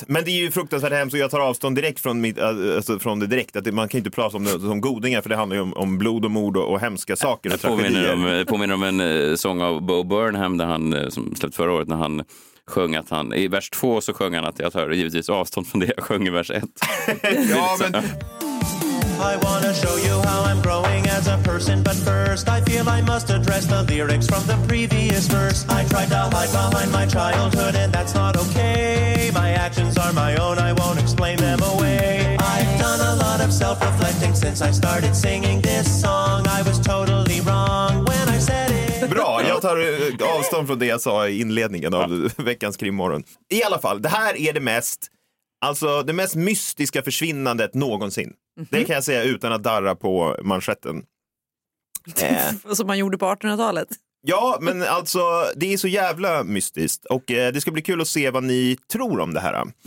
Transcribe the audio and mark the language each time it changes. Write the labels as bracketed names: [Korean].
[Swedish] Men det är ju fruktansvärt hemskt, så jag tar avstånd direkt från från det direkt. Att man kan inte prata om det som godingar, för det handlar ju om blod och mord och hemska saker. Det påminner om en sång av Bo Burnham där han, som släppte förra året, när han sjöng att han, i vers 2 så sjöng han att jag tar givetvis avstånd från det jag sjöng i vers 1. Ja, men [English] I wanna show you how I'm growing as a person, but first I feel I must address the lyrics from the previous verse. I tried to hide behind my childhood and that's not okay. My actions are my own, I won't explain them away. I've done a lot of self-reflecting since I started singing this song. I was totally wrong when I said it. [Swedish] Bra, jag tar avstånd från det jag sa i inledningen av veckans krimmorgon. I alla fall, det här är det mest mystiska försvinnandet någonsin. Mm-hmm. Det kan jag säga utan att darra på manschetten. Som man gjorde på 1800-talet. Ja, men alltså, det är så jävla mystiskt. Och det ska bli kul att se vad ni tror om det här.